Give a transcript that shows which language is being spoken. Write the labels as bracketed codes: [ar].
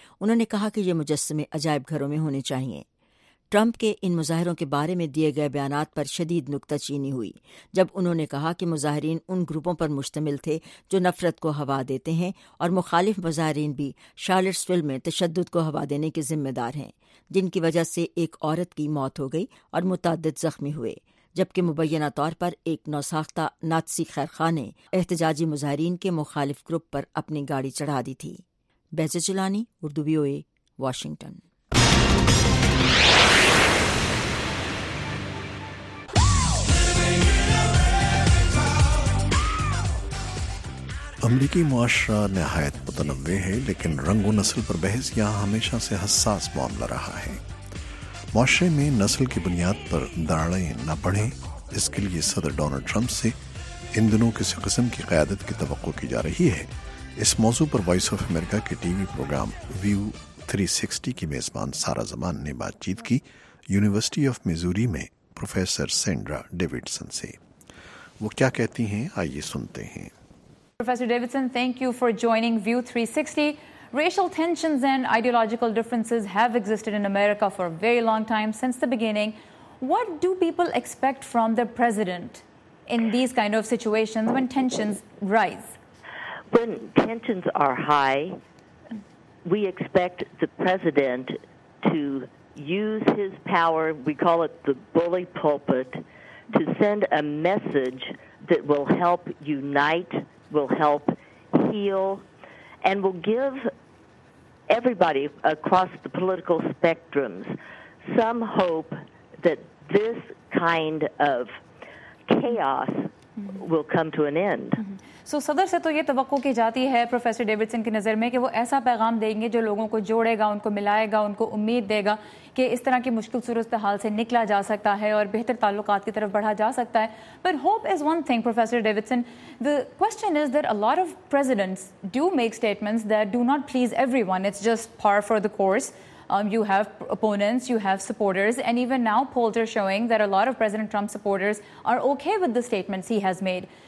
[ur] انہوں نے کہا کہ یہ مجسمے عجائب گھروں میں ہونے چاہئیں. ٹرمپ کے ان مظاہروں کے بارے میں دیے گئے بیانات پر شدید نکتہ چینی ہوئی جب انہوں نے کہا کہ مظاہرین ان گروپوں پر مشتمل تھے جو نفرت کو ہوا دیتے ہیں اور مخالف مظاہرین بھی شارلٹسویل میں تشدد کو ہوا دینے کے ذمہ دار ہیں جن کی وجہ سے ایک عورت کی موت ہو گئی اور متعدد زخمی ہوئے جبکہ مبینہ طور پر ایک نوساختہ ناتسی خیرخواہ نے احتجاجی مظاہرین کے مخالف گروپ پر اپنی گاڑی چڑھا دی تھی. بیجے چلانی, اردو وی او اے, واشنگٹن. امریکی معاشرہ نہایت متنوع ہے لیکن رنگ و نسل پر بحث یہاں ہمیشہ سے حساس معاملہ رہا ہے. معاشرے میں نسل کی بنیاد پر دراڑیں نہ پڑھیں اس کے لیے صدر ڈونلڈ ٹرمپ سے ان دنوں کسی قسم کی قیادت کی توقع کی جا رہی ہے. اس موضوع پر وائس آف امریکہ کے ٹی وی پروگرام ویو 360 کی میزبان سارا زمان نے بات چیت کی یونیورسٹی آف میزوری میں پروفیسر سینڈرا ڈیوڈسن سے. وہ کیا کہتی ہیں, آئیے سنتے ہیں. [en] Professor Davidson, thank you for joining View 360. Racial tensions and ideological differences have existed in America for a very long time, since the beginning. What do people expect from their president in these kind of situations when tensions rise? When tensions are high, we expect the president to use his power, we call it the bully pulpit, to send a message that will help unite, will help heal, and will give everybody across the political spectrums some hope that this kind of chaos will come to an end. [ur] So صدر سے تو یہ توقع کی جاتی ہے professor Davidson کی نظر میں کہ وہ ایسا پیغام دیں گے جو لوگوں کو جوڑے گا, ان کو ملائے گا, ان کو امید دے گا کہ اس طرح کی مشکل صورتحال سے نکلا جا سکتا ہے اور بہتر تعلقات کی طرف بڑھا جا سکتا ہے. [en] But hope is one thing, Professor Davidson. The question is that a lot of presidents do make statements that do not please everyone. It's just par for the course. You have opponents, you have supporters, and even now polls are showing that a lot of President Trump supporters are okay with the statements he has made.